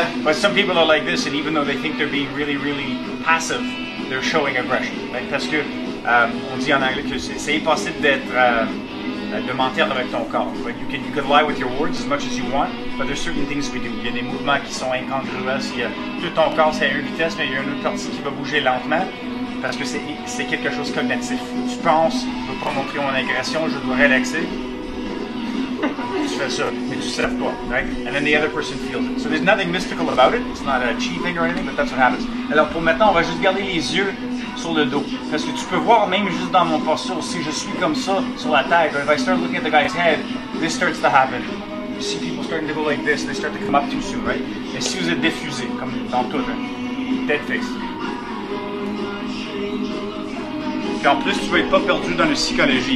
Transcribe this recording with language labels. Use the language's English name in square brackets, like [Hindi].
[English] But some people are like this, and even though they think they're being really, really passive, they're showing aggression. Right? [French] Parce que, on dit en anglais que c'est impossible d'être, de mentir avec ton corps. Right? [English] You can lie with your words as much as you want, but there's certain things we do. [French] Il y a des mouvements qui sont incongruents. Il y a tout ton corps, c'est à une vitesse, mais il y a une autre partie qui va bouger lentement. Parce que c'est quelque chose cognitif. Tu penses, je ne veux pas montrer mon agression, je dois relaxer. Tu fais ça, mais tu ne sèves pas. [English] Right? And then the other person feels it. So there's nothing mystical about it. It's not a cheating or anything, but that's what happens. [French] Alors pour maintenant, on va juste garder les yeux sur le dos. Parce que tu peux voir même juste dans mon posture, si je suis comme ça sur la tête, or if I start looking at the guy's head, this starts to happen. [English] You see people starting to go like this, they start to come up too soon, right? [French] Et si vous êtes diffusé, comme dans tout, hein? Dead face. Puis en plus, tu vas être pas perdu dans la psychologie.